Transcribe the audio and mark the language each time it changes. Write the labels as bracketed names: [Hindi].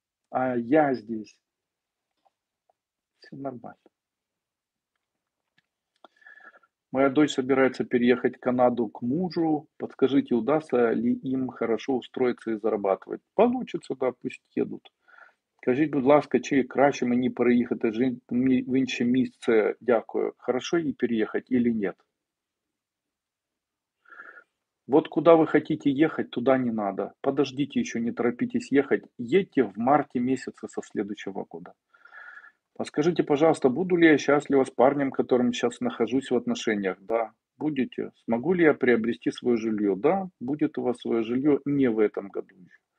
[Russian] А я здесь. Все нормально. Моя дочь собирается переехать в Канаду к мужу. Подскажите, удастся ли им хорошо устроиться и зарабатывать? Получится, да, пусть едут. [Ukrainian] Скажите, будь ласка, чей краще мені переїхати жити в інше місце? Дякую. [Russian] Хорошо [Ukrainian] їй переїхати [Russian] или нет? Вот куда вы хотите ехать, туда не надо. Подождите еще, не торопитесь ехать. Едьте в марте месяце со следующего года. Подскажите, пожалуйста, буду ли я счастлива с парнем, которым сейчас нахожусь в отношениях? Да, будете. Смогу ли я приобрести свое жилье? Да, будет у вас свое жилье не в этом году еще.